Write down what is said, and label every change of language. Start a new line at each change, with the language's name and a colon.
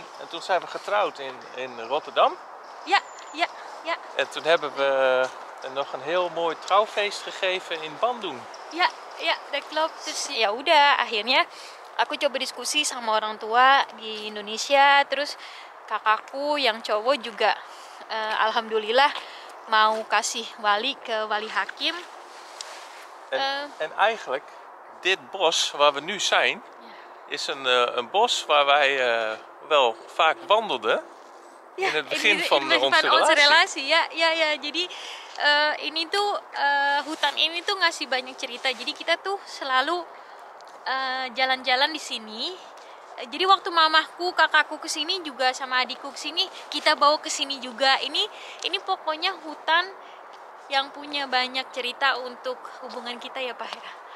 Dutch: toen zijn we getrouwd in Rotterdam. Ja en toen hebben we en nog een heel mooi trouwfeest gegeven in Bandung. Ja, ja, dat klopt.
Indonesian: Dus ya udah, akhirnya aku coba diskusi sama orang tua di Indonesia, terus kakakku yang cowok juga alhamdulillah mau kasih wali ke wali hakim.
Dutch: En eigenlijk dit bos waar we nu zijn is een bos waar wij wel vaak wandelden. Ja, in het begin van onze relatie.
Indonesian: Ja, jadi ini tuh hutan ini tuh ngasih banyak cerita. Jadi kita tuh selalu jalan-jalan di sini. Jadi waktu mamahku, kakakku ke sini juga sama adikku ke sini, kita bawa ke sini juga. Ini pokoknya hutan yang punya banyak cerita untuk hubungan kita ya, Pak Hera.